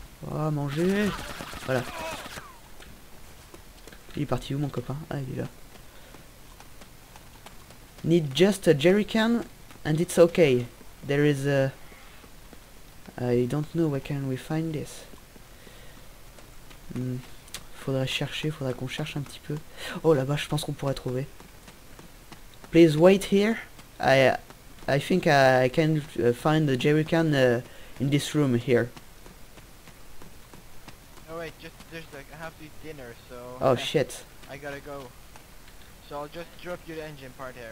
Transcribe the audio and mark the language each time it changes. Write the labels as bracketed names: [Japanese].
[French] Oh, manger! Voilà. Il est parti où, mon copain? Ah, il est là. [English] Need just a jerrycan and it's okay. There is a... I don't know where can we find this. [French] Faudrait chercher, faudrait qu'on cherche un petit peu. Oh là-bas, je pense qu'on pourrait trouver. [English] Please wait here. I think I can find the jerrycan in this room here. Oh wait, just there's like I have to eat dinner, so... Oh shit. I gotta go. So I'll just drop you the engine part here.